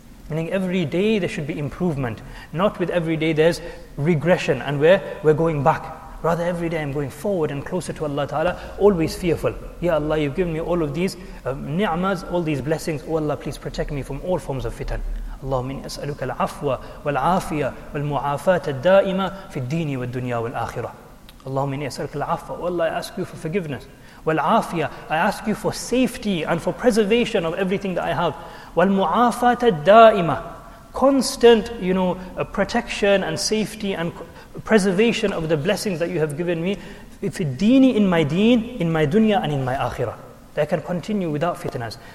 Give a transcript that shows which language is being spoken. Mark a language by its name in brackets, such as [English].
[English] Meaning every day there should be improvement, not with every day there's regression and we're going back. Rather every day I'm going forward and closer to Allah Ta'ala, always fearful. Ya Allah, you've given me all of these ni'mas, all these blessings. Oh Allah, please protect me from all forms of fitan. [Arabic] اللهم إني أسألك العفو والعافية والمعافاة الدائمة في الدين والدنيا والآخرة. اللهم إني أسألك العفو. [English] Oh Allah, I ask you for forgiveness. [Arabic] والعافية, [English] I ask you for safety and for preservation of everything that I have. [Arabic] والمعافاة الدائمة, [English] constant, you know, protection and safety and preservation of the blessings that you have given me. [Arabic] في الدين, [English] in my deen, in my dunya and in my آخرة. That I can continue without fitnas.